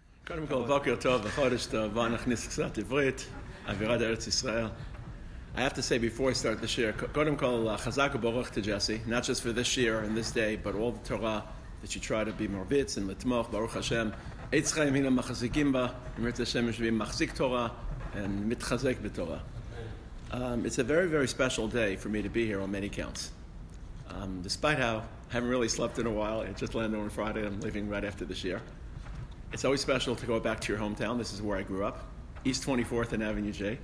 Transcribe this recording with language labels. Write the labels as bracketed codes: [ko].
[he] קודם כל, בוקר טוב, חודש טוב, בוא נכניס קצת עברית, אווירת ארץ ישראל. [en] I have to say before I start the shiur, [he] קודם כל, חזק וברוך [en] to Jesse, not just for this year and this day, but all the Torah that you try to be מרביץ and [he] לתמוך, ברוך השם. עץ חיים הנה מחזיקים בה, אמרת השם משווים מחזיק תורה and מתחזק בתורה. [en] It's a very, very special day for me to be here on many counts. Despite how I haven't really slept in a while, I just landed on Friday, I'm leaving right after this year. It's always special to go back to your hometown. This is where I grew up, East 24th and Avenue J.